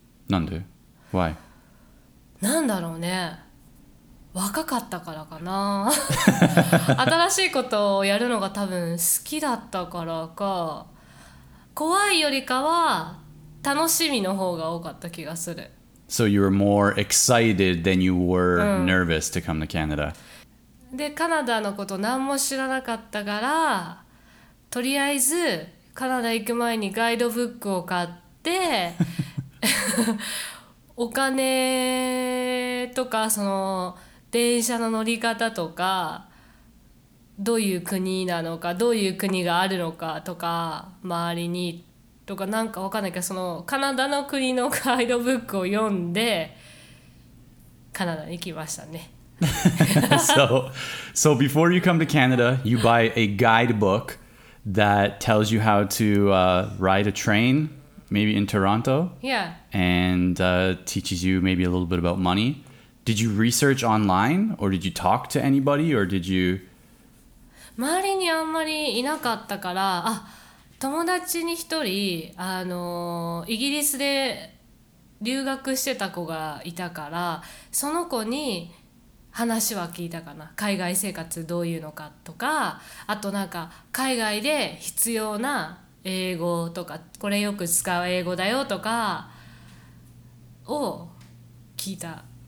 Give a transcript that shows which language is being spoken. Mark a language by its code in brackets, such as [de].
[ja] なんで [en] Why? [ja] なんだろうね、若かったからかな新しいことをやるのが多分好きだったからか、怖いよりかは楽しみの方が多かった気がする。 [en] So you were more excited than you were nervous to come to Canada、う [ja] ん、でカナダのこと何も知らなかったから、とりあえずカナダ行く前にガイドブックを買ってお金とかその電車の乗り方とか、どういう国なのか、どういう国があるのかとか、周りにとかなんか分かんないけど、そのカナダの国のガイドブックを読んでカナダに来ましたね。 [en] So before you come to Canada, you buy a guidebook that tells you how to ride a train, maybe in Toronto. Yeah. And teaches you maybe a little bit about money. Did you research online, or did you talk to anybody, or did you? [ja] 周りにあんまりいなかったから、あ、友達に一人、イギリスで留学してた子がいたから、その子に話は聞いたかな。海外生活どういうのかとか、あとなんか海外で必要な英語とか、これよく使う英語だよとかを聞いた。